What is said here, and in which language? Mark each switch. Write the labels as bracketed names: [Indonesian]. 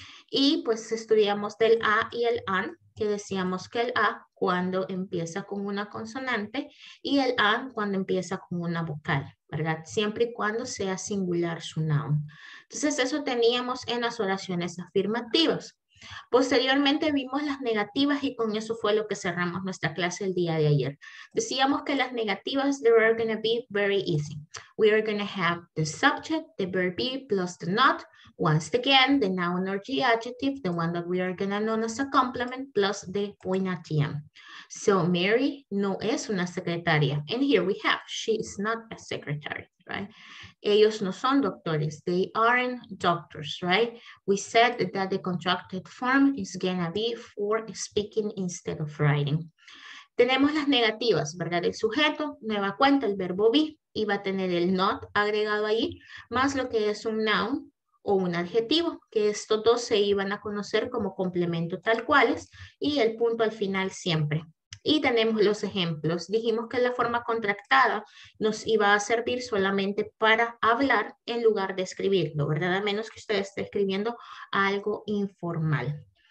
[Spanish] Y pues estudiamos del a y el an, que decíamos que el a cuando empieza con una consonante y el an cuando empieza con una vocal, ¿verdad? Siempre y cuando sea singular su noun. Entonces eso teníamos en las oraciones afirmativas. Posteriormente vimos las negativas y con eso fue lo que cerramos nuestra clase el día de ayer. Decíamos que las negativas, [English] they are going to be very easy. We are going to have the subject, the verb be plus the not. Once again, the noun or the adjective, the one that we are going to know as a complement plus the point at the end. So [Spanish] Mary no es una secretaria. [English] And here we have, she is not a secretary, right? [Spanish] Ellos no son doctores. [English] They aren't doctors, right? We said that the contracted form is going to be for speaking instead of writing. [Spanish] Tenemos las negativas, ¿verdad? El sujeto, nueva cuenta, el verbo be, y va a tener el not agregado ahí, más lo que es un noun o un adjetivo, que estos dos se iban a conocer como complemento tal cuales, y el punto al final siempre. Y tenemos los ejemplos. Dijimos que la forma contractada nos iba a servir solamente para hablar en lugar de escribirlo, ¿verdad? A menos que usted esté escribiendo algo informal.